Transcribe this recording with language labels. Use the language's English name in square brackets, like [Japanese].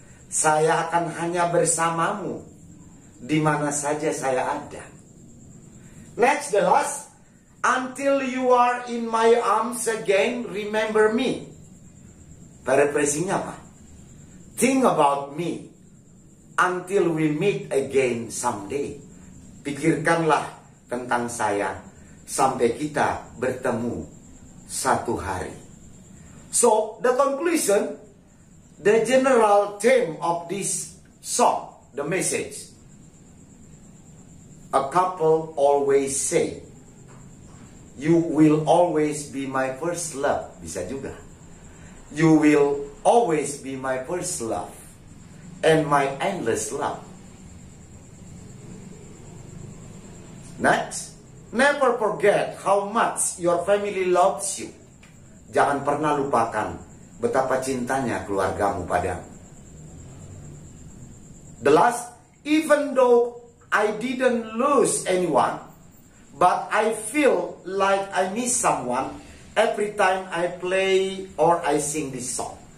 [Indonesian] Saya akan hanya bersamamu di mana saja saya ada. [English] Next, the last. Until you are in my arms again, remember me. [Indonesian] Paraphrasingnya apa? [English] Think about me until we meet again someday. [Indonesian] Pikirkanlah tentang saya sampai kita bertemu satu hari. [English] So, the conclusion, the general theme of this song, the message. A couple always say, you will always be my first love. [Indonesian] Bisa juga. [English] You will always be my first love and my endless love. Next, never forget how much your family loves you. [Indonesian] Jangan pernah lupakan betapa cintanya keluargamu padamu. [English] The last, even though I didn't lose anyone, but I feel like I miss someone every time I play or I sing this song.